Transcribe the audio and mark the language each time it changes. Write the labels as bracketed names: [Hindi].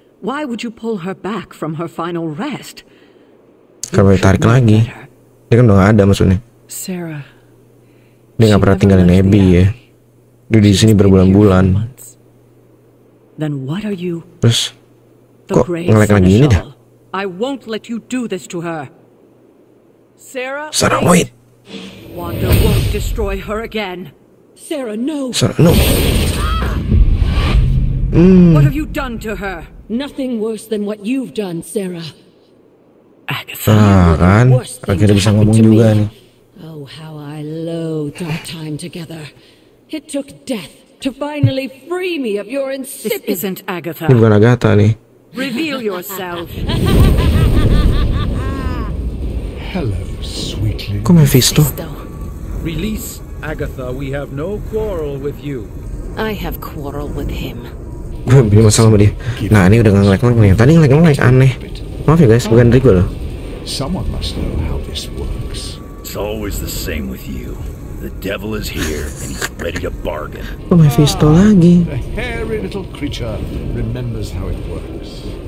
[English] Why would you pull her back from her final rest? [Indonesian] Kamu tarik lagi. Dia kan udah gak ada maksudnya. Sarah. Dia gak pernah tinggalin Abby ya. Dia di sini berbulan-bulan. [English] Then what are you? [Indonesian] Terus, kok ngelag lagi ini dah? [English] I won't let you do this to her. Sarah, wait. Wanda won't destroy her again. Sarah, no. What have you done to her? Nothing worse than what you've done, Sarah. Agatha, [Indonesian] kan? Akhirnya bisa ngomong juga nih. [English] Oh, how I loathe our time together. It took death to finally free me of your insipid. This isn't Agatha. [Indonesian] Ini bukan Agatha nih. [English] Reveal yourself. Hello, sweet. Come Mephisto? Release Agatha, we have no quarrel with you. I have quarrel with him. [Indonesian] Bukan masalah sama dia. Nah, ini udah ngelag-ngelag nih. Tadi ngelag-ngelag aneh. Maaf ya guys, bukan dari gue loh. [English] Someone must know how this works. It's always the same with you. The devil is here and he's ready to bargain. [Indonesian] Oh, Mephisto lagi. [English] The hairy little creature remembers how it works.